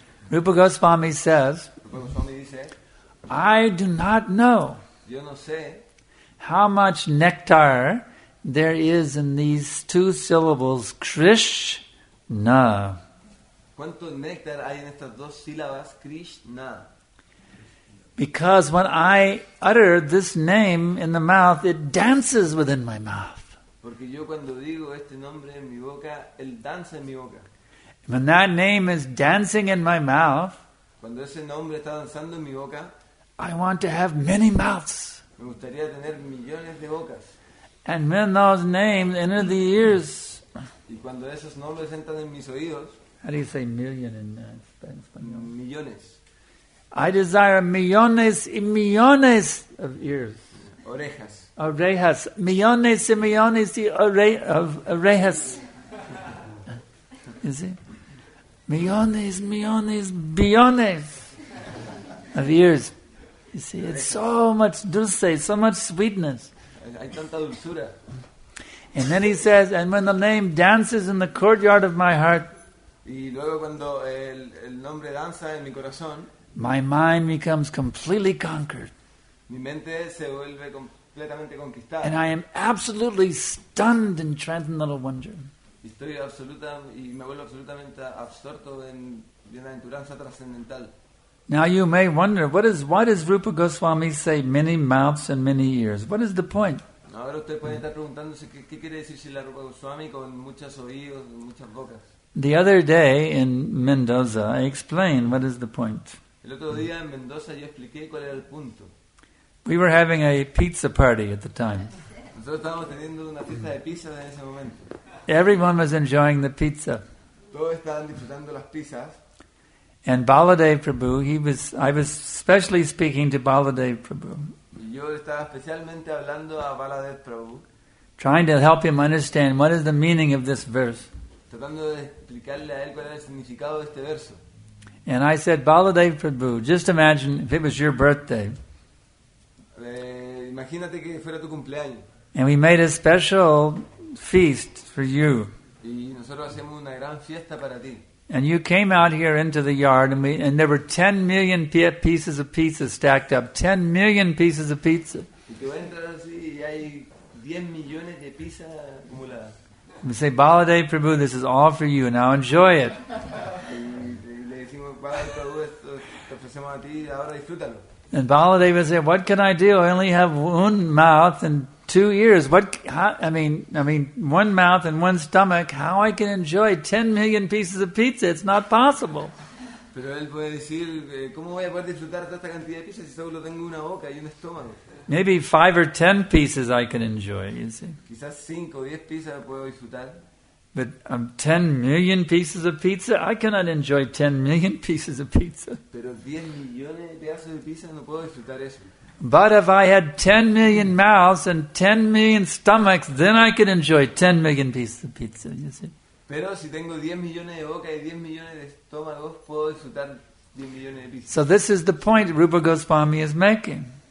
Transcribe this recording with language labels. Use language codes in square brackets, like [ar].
[en] Rupa Goswami says, I do not know how much nectar there is in these two syllables, Krishna. [es] ¿Cuánto néctar hay en estas dos sílabas, Krishna? [en] Because when I utter this name in the mouth, it dances within my mouth. [es] Porque yo cuando digo este nombre en mi boca, él danza en mi boca. [en] When that name is dancing in my mouth, [es] cuando ese nombre está danzando en mi boca, [en] I want to have many mouths. [es] Me gustaría tener millones de bocas. [en] And when those names enter the ears, [es] y cuando esos nombres entran en mis oídos, [en] how do you say million in Spanish? [es] Millones. [en] I desire [es] millones y millones [en] of ears. [es] Orejas. Orejas. Millones y millones y of orejas. [en] You see? [es] Millones, millones, billones [en] of ears. You see? It's so much dulce, so much sweetness. [es] Hay tanta dulzura. [en] And then he says, and when the name dances in the courtyard of my heart, [es] y luego cuando el nombre danza en mi corazón, [en] my mind becomes completely conquered. [es] Mi mente se vuelve completamente conquistada. [en] And I am absolutely stunned in transcendental wonder. [es] Estoy absoluta y me vuelvo absolutamente absorto en bienaventuranza trascendental. [en] Now you may wonder, why does Rupa Goswami say many mouths and many ears? What is the point? [es] Ahora usted puede estar preguntándose qué quiere decir si la Rupa Goswami con muchos oídos, muchas bocas. [en] The other day in Mendoza, I explained what is the point. [es] El otro día en Mendoza yo expliqué cuál era el punto. [en] We were having a pizza party at the time. [es] Nosotros estábamos teniendo una fiesta de pizza en ese momento. [en] Everyone was enjoying the pizza. [es] Todos estaban disfrutando las pizzas. [en] And Baladev Prabhu, I was specially speaking to Baladev Prabhu. [es] Yo estaba especialmente hablando a Baladev Prabhu. [en] Trying to help him understand what is the meaning of this verse. [es] Tratando de explicarle a él cuál era el significado de este verso. [en] And I said, Baladev Prabhu, just imagine if it was your birthday. [es] Imagínate que fuera tu cumpleaños. [en] And we made a special feast for you. [es] Y nosotros hacemos una gran fiesta para ti. [en] And you came out here into the yard and there were 10 million pieces of pizza stacked up. 10 million pieces of pizza. [es] Y tú entras así y hay 10 millones de pizza acumuladas. [en] We say, Baladev Prabhu, this is all for you. Now enjoy it. [es] ofrecemos a ti ahora, disfrútalo. [en] And Baladeva said, "What can I do? I only have one mouth and two ears. What? I mean, one mouth and one stomach. How I can enjoy 10 million pieces of pizza? It's not possible." [es] Pero él puede decir, ¿cómo voy a poder disfrutar toda esta cantidad de pizza si solo tengo una boca y un estómago? [en] Maybe 5 or 10 pieces I can enjoy. You see. [es] Quizás 5 o 10 pizzas puedo disfrutar. [en] But 10 million pieces of pizza, I cannot enjoy 10 million pieces of pizza. [es] Pero 10 millones de pedazos de pizza no puedo disfrutar eso. [en] But if I had 10 million mouths and 10 million stomachs, then I could enjoy 10 million pieces of pizza. You see. [es] Pero si tengo 10 millones de boca y 10 millones de estómagos, puedo disfrutar 10 millones de pizza. [en] So this is the point Rupa Goswami is making.